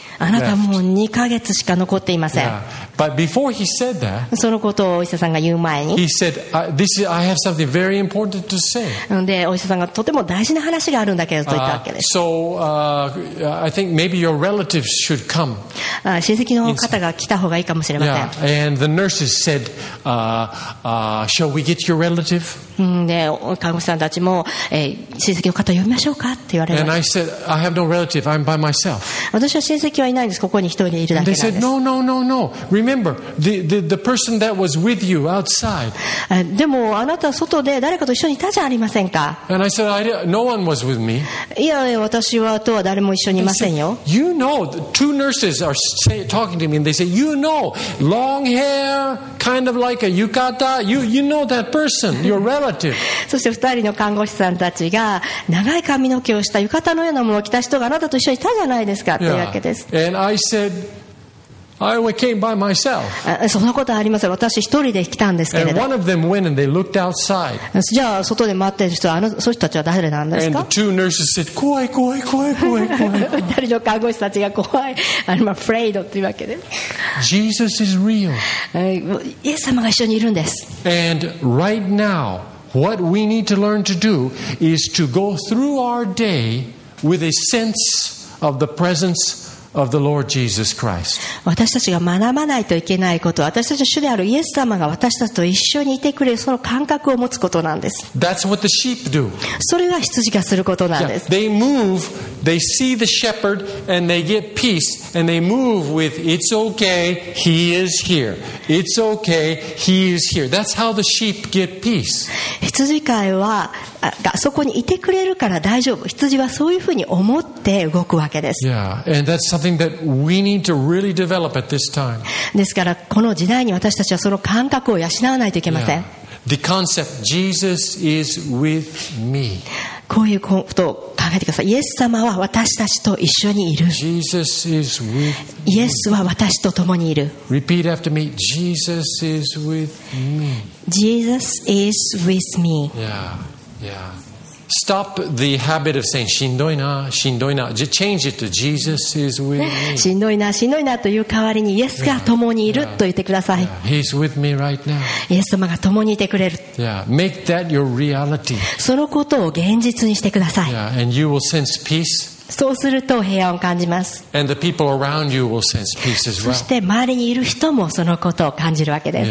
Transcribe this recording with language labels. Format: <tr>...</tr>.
<ja>あなたもう2ヶ月しか残っていません。</ja> <en>But before he said that,</en> <ja>そのことをお医者さんが言う前に、</ja> <en>he said, "This is, I have something very important to say."</en> <ja>で、お医者さんがとても大事な話があるんだけどと言ったわけです。</ja> <en>So, I think maybe your relatives should come.</en> <ja>親戚の方が来た方がいいかもしれません。</ja> <en>Yeah, and the nurses said, "Shall we get your relative?"</en> <ja>で、看護師さんたちも、親戚の方を呼びましょうかって言われました。</ja> <en>And I said, "I have no relative. I'm by myself."</en> <ja>私は親戚はいないんです。ここに一人いるだけなんです。</ja> <en>They said, "No, no, no, no." Remember the person that was with you outside.</en> <ja>でもあなた外で誰かと一緒にいたじゃありませんか。</ja> <en>And I said, no one was with me.</en> <ja>いや、私はとは誰も一緒にいませんよ。</ja> <en>Said, you know, the two nurses are talking to me and they say, you know, long hair, kind of like a yukata, you know that person, your relative.</en> <ja>そして二人の看護師さんたちが長い髪の毛をした浴衣のようなものを着た人があなたと一緒にいたじゃないですかというわけです。</ja> <en>Yeah. And I said,I came by myself.</en> <ja>そんなことはありません。私一人で来たんですけれど。</ja> <en>And one of them went and they looked outside.</en> <ja>じゃあ外で待ってる人はそういう人たちは誰なんですか？</ja> <en>And the two nurses said,</en> <ja>怖い怖い怖い怖い怖い。二人の看護師たちが怖い。</ja> <en>I'm afraid</en> <ja>っていうわけで。</ja> <en>Jesus is real.</en> <ja>イエス様が一緒にいるんです。</ja> <en>And right now, what we need to learn to do is to go through our day with a sense of the presence of God. Of the Lord Jesus Christ.</en> <ja>私たちが学ばないといけないことは、私たちの主であるイエス様が私たちと一緒にいてくれるその感覚を持つことなんです。</ja> <en>That's what the sheep do.</en> <ja>それが羊がすることなんです。</ja> <en>Yeah, they move, they see the shepherd, and they get peace, and they move with, it's okay, he is here. It's okay, he is here. That's how the sheep get peace.</en> <ja>羊飼いは、そこにいてくれるから大丈夫。羊はそういうふうに思って動くわけです。</ja> <en>Yeah, and that's something that we need to really develop at this time.</en> <ja>ですから、この時代に私たちはその感覚を養わないといけません。</ja> <en>Yeah. The concept, Jesus is with me.</en> <ja>こういうことを考えてください。イエス様は私たちと一緒にいる。</ja> <en>Jesus is with me.</en> <ja>イエスは私と共にいる。</ja> <en>Repeat after me. Jesus is with me. Jesus is with me. Yeah. Yeah. Stop the habit of saying,</en> <ja>しんどいな、しんどいな。</ja> <en>Just change it to Jesus is with me.</en> <ja>しんどいな、しんどいなという代わりに、イエスが共にいると言ってください。</ja> <en>He's with me right now.</en> <ja>イエス様が共にいてくれる。</ja> <en>Yeah. Make that your reality.</en> <ja>そのことを現実にしてください。</ja> <en>Yeah. And you will sense peace.</en> <ja>そうすると平安を感じます。</ja> <en>And the people around you will sense peace as well.</en> <ja>そして周りにいる人もそのことを感じるわけです。</ja>